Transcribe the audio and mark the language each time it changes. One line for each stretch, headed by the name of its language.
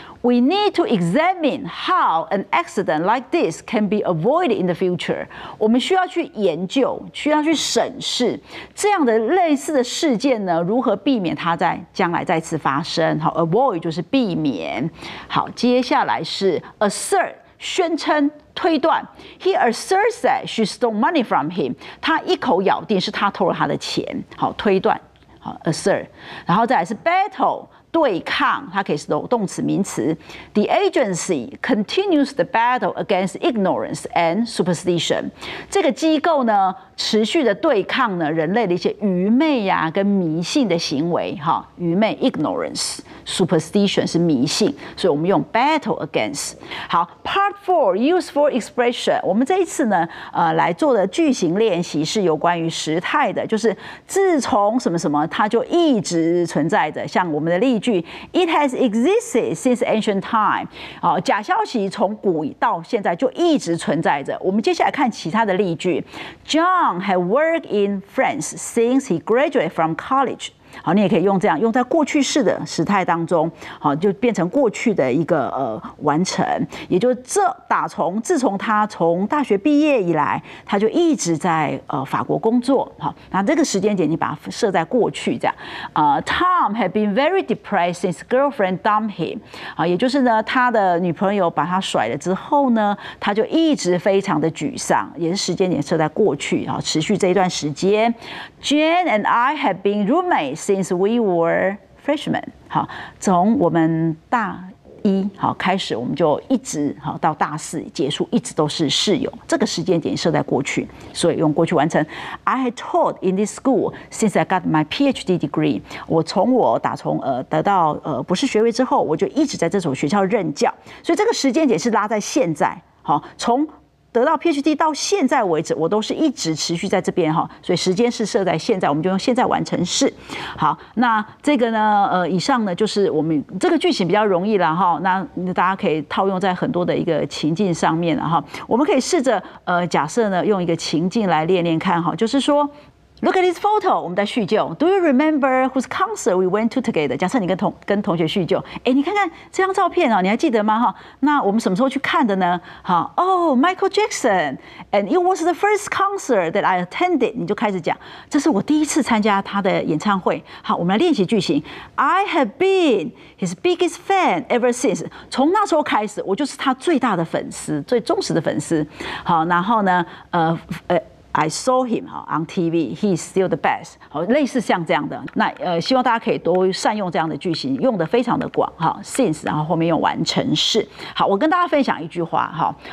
English: We need to examine how an accident like this can be avoided in the future.
Chinese: 我们需要去研究，需要去审视这样的类似的事件呢，如何避免它在将来再次发生。好 ，avoid 就是避免。好，接下来是 assert， 宣称、推断。
English: He asserts that she stole money from him.
Chinese: 他一口咬定是他偷了他的钱。好，推断。好 ，assert。然后再来是 battle。对抗，它可以是动词、名词。
English: The agency continues the battle against ignorance and superstition。
Chinese: 这个机构呢，持续的对抗呢人类的一些愚昧呀、跟迷信的行为。哈，愚昧 ignorance， superstition 是迷信，所以我们用
English: battle against。
Chinese: 好 ，Part 4 useful expression。我们这一次呢，来做的句型练习是有关于时态的，就是自从什么什么，它就一直存在着，像我们的例子。
English: It has existed since ancient time.
Chinese: 假消息从古到现在就一直存在着。我们接下来看其他的例句。
English: John had worked in France since he graduated from college.
Chinese: 好，你也可以用这样，用在过去式的时态当中，好，就变成过去的一个完成。也就是这打从自从他从大学毕业以来，他就一直在法国工作。好，那这个时间点你把它设在过去这样。
English: Tom had been very depressed since girlfriend dumped him.
Chinese: 好，也就是呢，他的女朋友把他甩了之后呢，他就一直非常的沮丧，也是时间点设在过去，好，持续这一段时间。
English: Jane and I had been roommates since we were freshmen.
Chinese: 好，从我们大一好开始，我们就一直好到大四结束，一直都是室友。这个时间点设在过去，所以用过去完成。
English: I had taught in this school since I got my PhD degree.
Chinese: 我从博士学位之后，我就一直在这所学校任教。所以这个时间点是拉在现在。好，从得到 PhD 到现在为止，我都是一直持续在这边，所以时间是设在现在，我们就用现在完成式。好，那这个呢，以上呢就是我们这个句型比较容易了哈，那大家可以套用在很多的一个情境上面了哈。我们可以试着假设呢，用一个情境来练练看哈，就是说 ，
English: Look at this photo，
Chinese: 我们在叙旧 ，
English: Do you remember whose concert we went to together？
Chinese: 假设你跟同学叙旧，你看看这张照片啊，你还记得吗？那我们什么时候去看的呢？
English: 好 ，Oh， Michael Jackson， and it was the first concert that I attended。
Chinese: 你就开始讲，这是我第一次参加他的演唱会。好，我们来练习句型。
English: I have been his biggest fan ever since。
Chinese: 从那时候开始，我就是他最大的粉丝，最忠实的粉丝。
English: 好，然后呢，I saw him on TV. He's still the best.
Chinese: 好，类似像这样的，那希望大家可以多善用这样的句型，用的非常的广哈。 Since， 然后后面用完成式。好，我跟大家分享一句话哈。